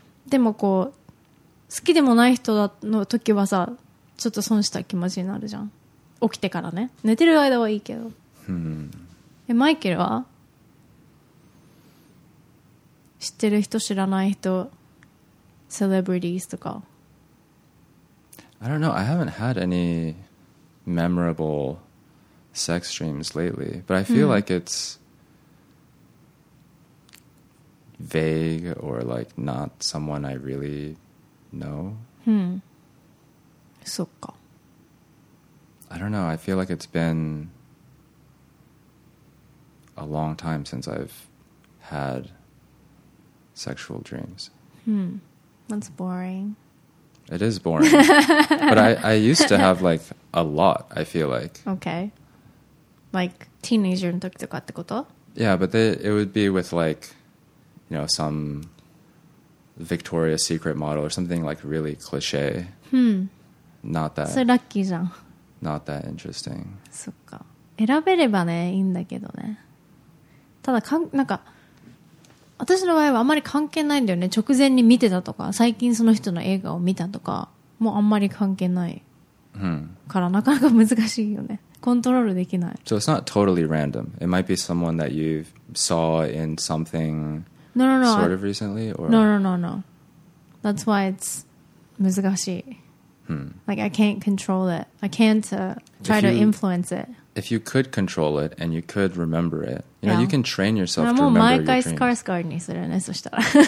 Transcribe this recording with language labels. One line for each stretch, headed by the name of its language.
Japanese: でもこう好きでもない人の時はさ、ちょっと損した気持ちになるじゃん、起きてからね。寝てる間はいいけど、え、マイケルは知ってる人知らない人、セレブリティーズとか。
English: I don't know, I haven't had any memorable sex dreams lately, but I feel like it's vague or like not someone I really know.
Japanese: そっか。
English: I don't know. I feel like it's been a long time since I've had sexual dreams. That's boring. It is boring. But I used to have like a lot, I feel like. Okay. Like teenager
Japanese: の時とかってこと?
English: Yeah, but it would be with like, you know, some Victoria's Secret model or something like really cliche. Not that.
Japanese: それラッキーじゃん。
English: Not that interesting.
Japanese: そっか。選べればね、いいんだけどね。ただかん、なんか、私の場合はあんまり関係ないんだよね。直前に見てたとか、最近その人の映画を見たとか、もうあんまり関係ない。から、なかなか難しいよね。コントロールできない。
English: So it's not totally random. It might be someone that you saw in something sort of recently? No. That's why it's
Japanese: 難しい。
English: Like, I can't control it. I can't try to influence it. If you could control it and you could remember it, you know, you can train yourself to remember your dreams. もう毎回スカースカーにするね、そしたら。